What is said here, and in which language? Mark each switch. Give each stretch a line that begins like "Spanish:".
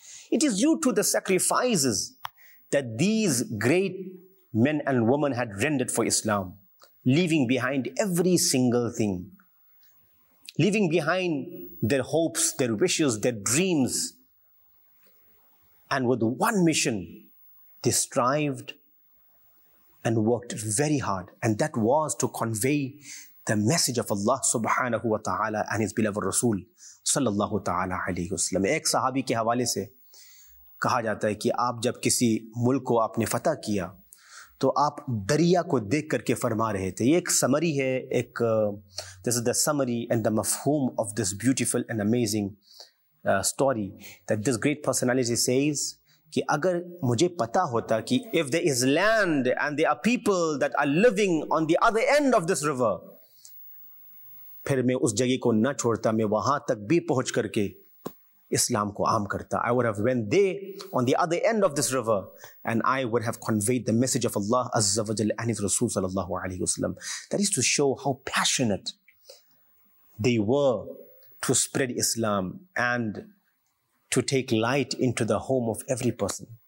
English: It is due to the sacrifices that these great men and women had rendered for Islam, leaving behind every single thing, leaving behind their hopes, their wishes, their dreams. And with one mission, they strived and worked very hard. And that was to convey the message of Allah subhanahu wa ta'ala and his beloved Rasul sallallahu ta'ala alayhi wa sallam.
Urdu: Ek sahabi ke hawale se کہا جاتا ہے کہ آپ جب کسی ملک کو آپ نے فتح کیا تو آپ دریا کو دیکھ کر کے فرما رہے تھے. یہ ایک سمری ہے,
English: this is the summary and the
Urdu: مفہوم of this beautiful and amazing
English: story that this great personality says
Urdu: کہ اگر مجھے پتا ہوتا کہ
English: if there is land and there are people that are living on the other end of this river,
Urdu: پھر میں اس جگہ کو نہ چھوڑتا, میں وہاں تک بھی پہنچ کر کے Islam ko aam karta.
English: I would have went there on the other end of this river and I would have conveyed the message of Allah Azza wa Jal and his Rasul sallallahu alayhi wa sallam. That is to show how passionate they were to spread Islam and to take light into the home of every person.